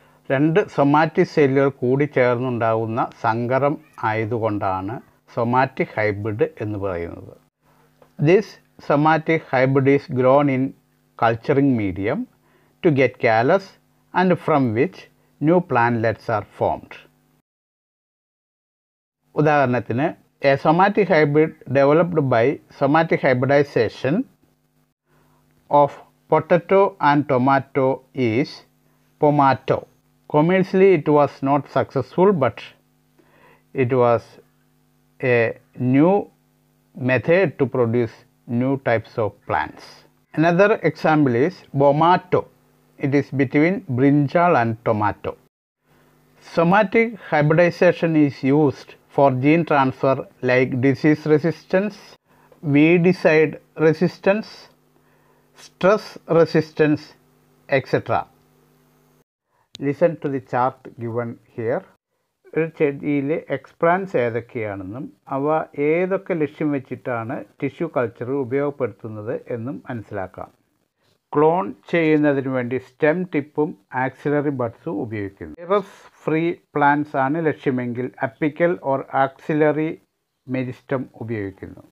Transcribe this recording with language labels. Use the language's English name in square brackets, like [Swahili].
[Malayalam] രണ്ട് സൊമാറ്റിക് സെല്ലുകൾ കൂടി ചേർന്നുണ്ടാവുന്ന സങ്കരം ആയതുകൊണ്ടാണ് സൊമാറ്റിക് ഹൈബ്രിഡ് എന്ന് പറയുന്നത്. [English] This somatic hybrid is grown in culturing medium to get callus and from which new plantlets are formed. [Malayalam] ഉദാഹരണത്തിന്, [English] a somatic hybrid developed by somatic hybridization of potato and tomato is pomato. Commercially it was not successful, but it was a new method to produce new types of plants. Another example is bomato. It is between brinjal and tomato. Somatic hybridization is used for gene transfer like disease resistance, weedicide resistance, stress resistance, etc. Listen to the chart given here. [Malayalam] ഒരു ചെടിയിലെ എക്സ്പ്ലാന്റ്സ് ഏതൊക്കെയാണെന്നും അവ ഏതൊക്കെ ലക്ഷ്യം വെച്ചിട്ടാണ് tissue culture ഉപയോഗപ്പെടുത്തുന്നത് എന്നും മനസ്സിലാക്കാം. Clone ചെയ്യുന്നതിന് വേണ്ടി സ്റ്റെം ടിപ്പും ആക്സിലറി ബഡ്സും ഉപയോഗിക്കുന്നു. വൈറസ് ഫ്രീ പ്ലാന്റ്സ് ആണ് ലക്ഷ്യമെങ്കിൽ അപ്പിക്കൽ ഓർ ആക്സിലറി മെരിസ്റ്റം ഉപയോഗിക്കുന്നു.